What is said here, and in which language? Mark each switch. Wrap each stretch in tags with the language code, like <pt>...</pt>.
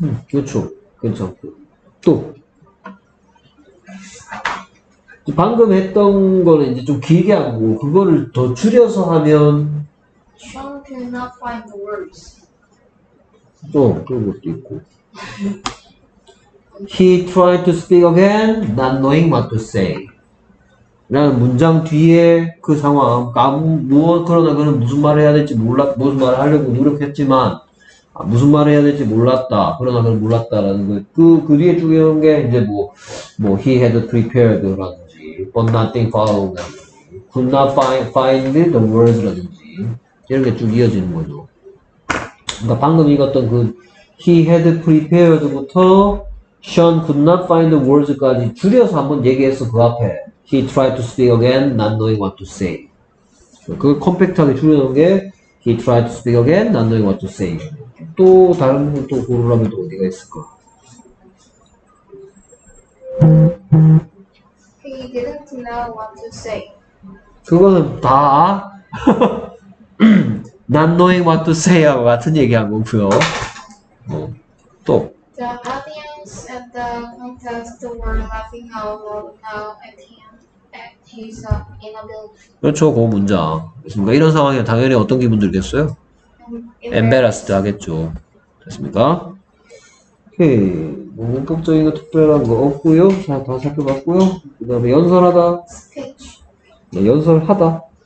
<ko>그렇죠. 또 방금 했던 거는 이제 좀 길게 하고 그거를 더 줄여서 하면</ko> <en>John cannot find the words.</en> <ko>또 그런 것도 있고</ko> <en>He tried to speak again, not knowing what to say.</en> <ko>라는 문장 뒤에 그 상황, 아무, 뭐, 그러나 그는 무슨 말을 해야 될지 몰랐, 무슨 말을 하려고 노력했지만, 아, 무슨 말을 해야 될지 몰랐다. 그러나 그는 몰랐다라는 거. 그 뒤에 중요한 게, 이제 뭐,</ko> <en>he had prepared</en> <ko>라든지,</ko> <en>but nothing followed</en> <ko>라든지,</ko> <en>could not find the words</en> <ko>라든지, 이런 게 쭉 이어지는 거죠. 그러니까 방금 읽었던 그,</ko> <en>he had prepared</en> <ko>부터,</ko> <en>Sean could not find the words</en> <ko>까지 줄여서 한번 얘기했어, 그 앞에.</ko> <en>He tried to speak again, not knowing what to say.</en> <ko>그 컴팩트하게 줄여놓은 게</ko> <en>He tried to speak again, not knowing what to say.</en> <ko>또 다른 걸 또 고르라면 또 어디가 있을까?</ko> <en>He didn't know what to say.</en> <ko>그거는 다</ko> <en>Not knowing what to say</en> <ko>하고 같은 얘기한 거고요. 또</ko> <en>The audience at the contest were laughing out loud at him. He's</en> <ko>inability. 그렇죠, 그 문장. 됐습니까? 이런 상황에 당연히 어떤 기분 들겠어요? Embarrassed 하겠죠. 됐습니까? 오케이. 뭐 문법적인 거 특별한 거 없고요. 자, 다 살펴봤고요. 그 다음에 연설하다.</ko> <en>Speech.</en> <ko>네, 연설하다.</ko>